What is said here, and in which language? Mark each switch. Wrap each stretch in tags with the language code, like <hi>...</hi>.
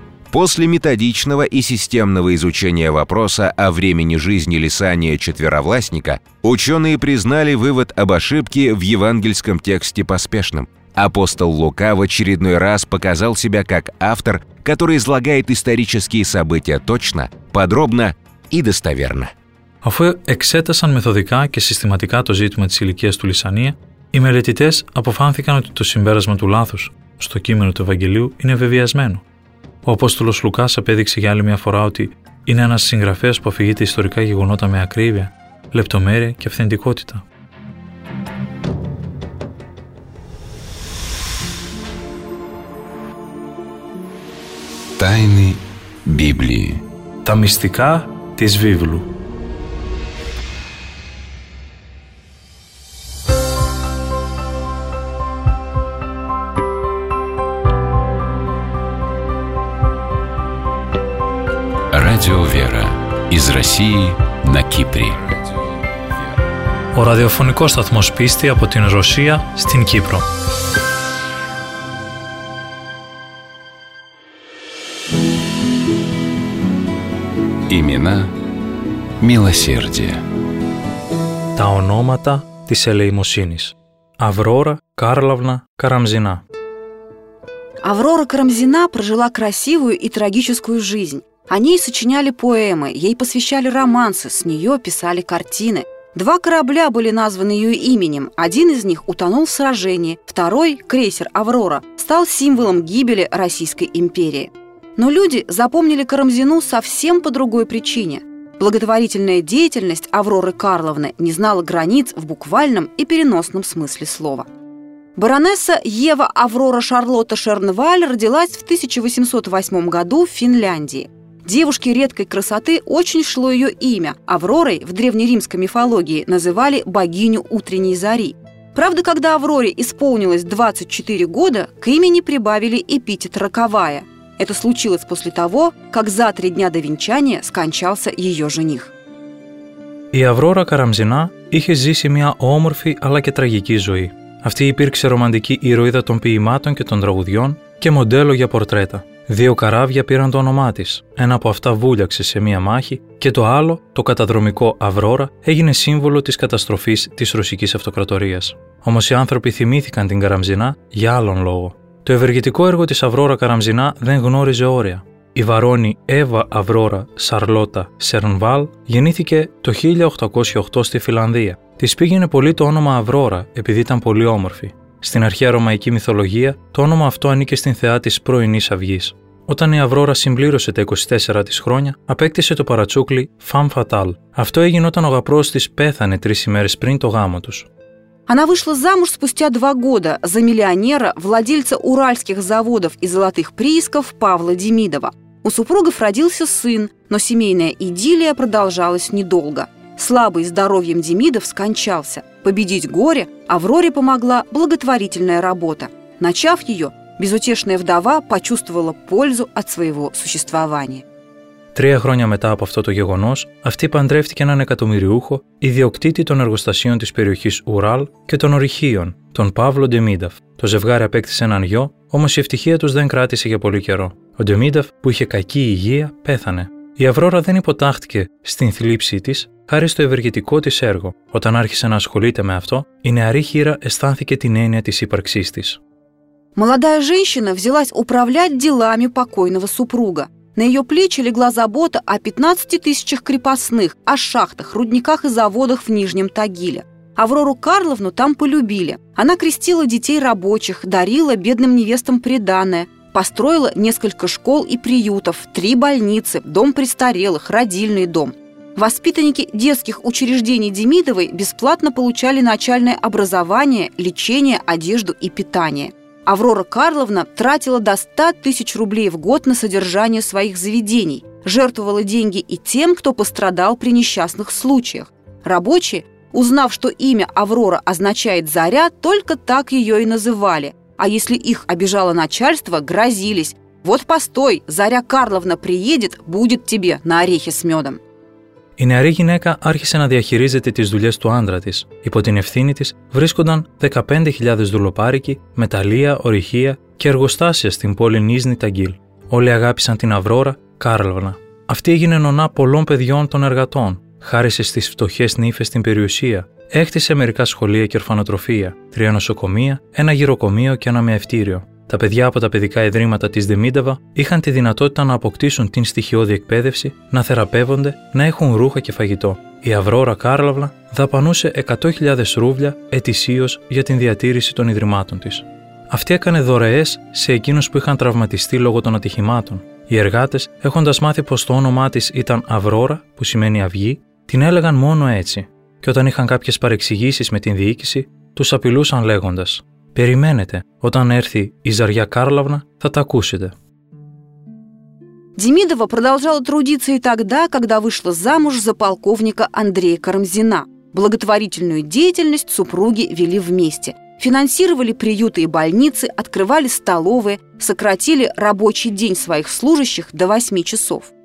<ru>После методичного и системного изучения вопроса о времени жизни Лисания четверовластника, ученые признали вывод об ошибке в евангельском тексте поспешным. Апостол Лука в очередной раз показал себя как автор, который излагает исторические события точно, подробно и достоверно.</ru> <el>Αφού εξέτασαν μεθοδικά και συστηματικά το ζήτημα της ηλικίας του Λυσανία, οι μελετητές αποφάνθηκαν ότι το συμπέρασμα του λάθους στο κείμενο του Ευαγγελίου είναι βεβαιασμένο. Ο Απόστολος Λουκάς απέδειξε για άλλη μια φορά ότι είναι ένας συγγραφέας που αφηγείται ιστορικά γεγονότα με ακρίβεια, λεπτομέρεια και αυθεντικότητα.</el> <ru>Τάινη Βίβλη.</ru> <el>Τα μυστικά της Βίβλου.</el> <ru>Радио Вера из России на Кипре.</ru> <el>О радиофонико сатмос писти από την Ρωσία στην Κύπρο.</el> <ru>Имена милосердия.</ru> <el>Τα ονόματα της ελεημοσύνης.</el> <ru>Аврора Карловна Карамзина. Аврора Карамзина прожила красивую и трагическую жизнь. О ней сочиняли поэмы, ей посвящали романсы, с нее писали картины. Два корабля были названы ее именем, один из них утонул в сражении, второй, крейсер «Аврора», стал символом гибели Российской империи. Но люди запомнили Карамзину совсем по другой причине. Благотворительная деятельность Авроры Карловны не знала границ в буквальном и переносном смысле слова. Баронесса Ева Аврора Шарлотта Шернваль родилась в 1808 году в Финляндии. Девушке редкой красоты очень шло ее имя. Авророй в древнеримской мифологии называли богиню утренней зари. Правда, когда Авроре исполнилось 24 года, к имени прибавили эпитет «роковая». Это случилось после того, как за 3 дня до венчания скончался ее жених.</ru> <el>Η Αυρόρα Καραμζινά είχε ζήσει μια όμορφη αλλά και τραγική ζωή. Αυτή υπήρξε ρομαντική ηρωίδα των ποιημάτων και των τραγουδιών και μοντέλο για πορτρέτα. 2 καράβια πήραν το όνομά της. Ένα από αυτά βούλιαξε σε μια μάχη και το άλλο, το καταδρομικό Αυρόρα, έγινε σύμβολο της καταστροφής της Ρωσικής Αυτοκρατορίας. Όμως οι άνθρωποι θυμήθηκαν την Καραμζινά για άλλον λόγο. Το ευεργετικό έργο της Αυρόρα Καραμζινά δεν γνώριζε όρια. Η βαρόνη Εύα Αυρόρα Σαρλότα Σερνβάλ γεννήθηκε το 1808 στη Φιλανδία. Της πήγαινε πολύ το όνομα Αυρόρα επειδή ήταν πολύ όμορφη. Στην αρχαία ρωμαϊκή μυθολογία, το όνομα αυτό ανήκε στην θεά της πρωινής αυγής. Όταν η Αυρόρα συμπλήρωσε τα 24 της χρόνια, απέκτησε το παρατσούκλι Femme Fatale. Αυτό έγινε όταν ο γαπρός της πέθανε 3 ημέρες πριν το γάμο τους.</el> <ru>Она вышла замуж спустя 2 года за миллионера, владельца уральских заводов и золотых приисков Павла Демидова. У супругов родился сын, но семейная идиллия продолжалась недолго. Слабый здоровьем Демидов скончался. Победить горе Авроре помогла благотворительная работа. Начав ее, безутешная вдова почувствовала пользу от своего существования.</ru> <el>3 χρόνια μετά από αυτό το γεγονός, αυτή παντρεύτηκε έναν εκατομμυριούχο, ιδιοκτήτη των εργοστασίων της περιοχής Ουράλ και των ορυχείων, τον Παύλο Ντεμίνταφ. Το ζευγάρι απέκτησε έναν γιο, όμως η ευτυχία τους δεν κράτησε για πολύ καιρό. Ο Ντεμίνταφ, που είχε κακή υγεία, πέθανε. Η Αυρόρα δεν υποτάχθηκε στην θλίψη της, χάρη στο ευεργετικό της έργο. Όταν άρχισε να ασχολείται με αυτό, η νεαρή χείρα αισθάνθηκε την έννοια της ύπαρξής της.</el> <ru>Молодая женщина взялась управлять делами покойного супруга. На ее плечи легла забота о 15 тысячах крепостных, о шахтах, рудниках и заводах в Нижнем Тагиле. Аврору Карловну там полюбили. Она крестила детей рабочих, дарила бедным невестам приданое, построила несколько школ и приютов, 3 больницы, дом престарелых, родильный дом. Воспитанники детских учреждений Демидовой бесплатно получали начальное образование, лечение, одежду и питание. Аврора Карловна тратила до 100 тысяч рублей в год на содержание своих заведений, жертвовала деньги и тем, кто пострадал при несчастных случаях. Рабочие, узнав, что имя Аврора означает «заря», только так ее и называли. А если их обижало начальство, грозились. «Вот постой, Заря Карловна приедет, будет тебе на орехи с медом».</ru> <el>Η νεαρή γυναίκα άρχισε να διαχειρίζεται τις δουλειές του άντρα της. Υπό την ευθύνη της βρίσκονταν 15.000 δουλοπάρικοι, μεταλλεία, ορυχεία και εργοστάσια στην πόλη Νίζνη Ταγκίλ. Όλοι αγάπησαν την Αυρόρα Κάρλωνα. Αυτή έγινε νονά πολλών παιδιών των εργατών. Χάρισε στις φτωχές νύφες την περιουσία. Έκτισε μερικά σχολεία και ορφανοτροφία, 3 νοσοκομεία, 1 γυροκομείο και 1 μαιευτήριο. Τα παιδιά από τα παιδικά ιδρύματα της Δεμίνταβα είχαν τη δυνατότητα να αποκτήσουν την στοιχειώδη εκπαίδευση, να θεραπεύονται, να έχουν ρούχα και φαγητό. Η Αυρόρα Κάρλαβνα δαπανούσε 100.000 ρούβλια ετησίως για την διατήρηση των ιδρυμάτων της. Αυτή έκανε δωρεές σε εκείνους που είχαν τραυματιστεί λόγω των ατυχημάτων. Οι εργάτες, έχοντας μάθει πως το όνομά της ήταν Αυρόρα, που σημαίνει αυγή, την έλεγαν μόνο έτσι. Και όταν είχαν κάποιες παρεξηγήσεις με την διοίκηση, τους απειλούσαν λέγοντας: «Περιμένετε, όταν έρθει η Ζαριά Κάρλαβνα, θα τα ακούσετε».</el> <ru>Демидова продолжала трудиться и тогда, когда вышла замуж за полковника Андрея Карамзина. Благотворительную деятельность супруги вели вместе. Финансировали приюты и больницы, открывали столовые, сократили рабочий день своих служащих до 8 часов.</ru>